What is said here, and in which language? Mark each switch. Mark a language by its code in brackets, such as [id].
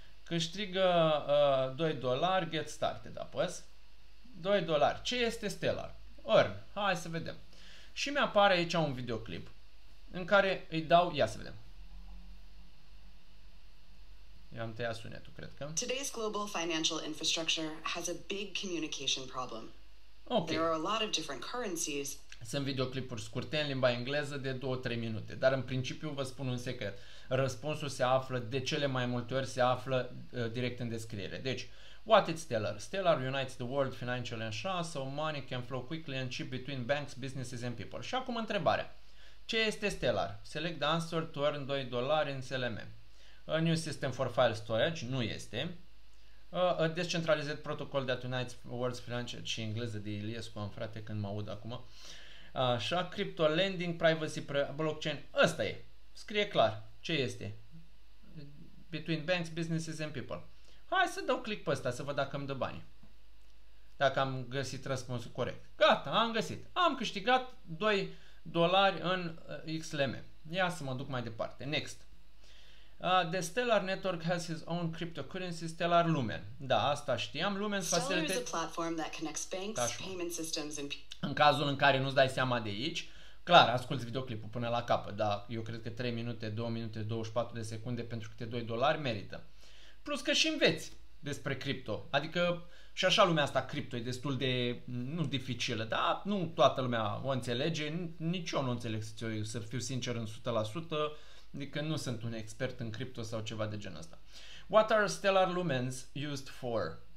[ro] Câștigă $2, [en] get started, [ro] apăs. $2. Ce este Stellar? Earn. Hai să vedem. Și mi-apare aici un videoclip în care îi dau, ia să vedem. I-am tăiat sunetul, cred că. [en] Today's global financial infrastructure has a big communication problem. Okay. There are a lot of different currencies. [ro] Sunt videoclipuri scurte în limba engleză de 2-3 minute, dar în principiu vă spun un secret. Răspunsul se află, de cele mai multe ori, se află direct în descriere. Deci, [en] what is Stellar? Stellar unites the world financially [ro] așa, [en] so money can flow quickly and cheap between banks, businesses and people. [ro] Și acum întrebarea. Ce este Stellar? [en] Select the answer to earn $2 in SLM. A new system for file storage, [ro] nu este. [en] A decentralized protocol that unites world's financial [ro] și engleză de Iliescu, am frate, când mă aud acum. Așa, crypto lending, privacy, blockchain, ăsta e. Scrie clar. Ce este? [en] Between banks, businesses and people. [ro] Hai să dau click pe ăsta să văd dacă îmi dă bani. Dacă am găsit răspunsul corect. Gata, am găsit. Am câștigat $2 în XLM. Ia să mă duc mai departe. Next. [en] The Stellar Network has his own cryptocurrency, Stellar Lumen. [ro] Da, asta știam. Lumen facilitează. [en] Stellar is a platform that connects banks, payment systems and... [ro] În cazul în care nu-ți dai seama de aici, clar, asculți videoclipul până la capăt, dar eu cred că 3 minute, 2 minute, 24 de secunde pentru câte $2 merită. Plus că și înveți despre cripto. Adică și așa lumea asta cripto e destul de, nu dificilă, dar nu toată lumea o înțelege, nici eu nu înțeleg, să fiu sincer, în 100%, adică nu sunt un expert în cripto sau ceva de genul ăsta. [en] What are Stellar Lumens used for?